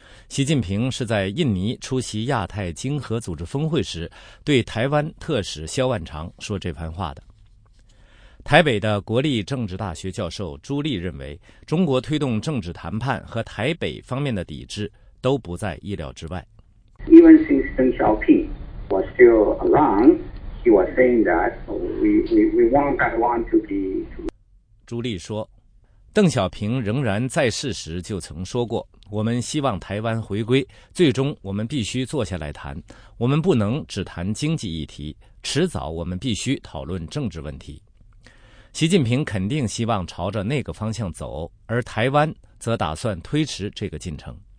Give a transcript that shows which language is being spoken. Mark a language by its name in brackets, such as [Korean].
[Chinese] 习近平是在印尼出席亚太经合组织峰会时，对台湾特使萧万长说这番话的。台北的国立政治大学教授朱莉认为，中国推动政治谈判和台北方面的抵制都不在意料之外。 [English] Even since Deng Xiaoping was still around, he was saying that we want Taiwan to be. [Chinese] 朱莉说，邓小平仍然在世时就曾说过，我们希望台湾回归，最终我们必须坐下来谈，我们不能只谈经济议题，迟早我们必须讨论政治问题。习近平肯定希望朝着那个方向走，而台湾则打算推迟这个进程。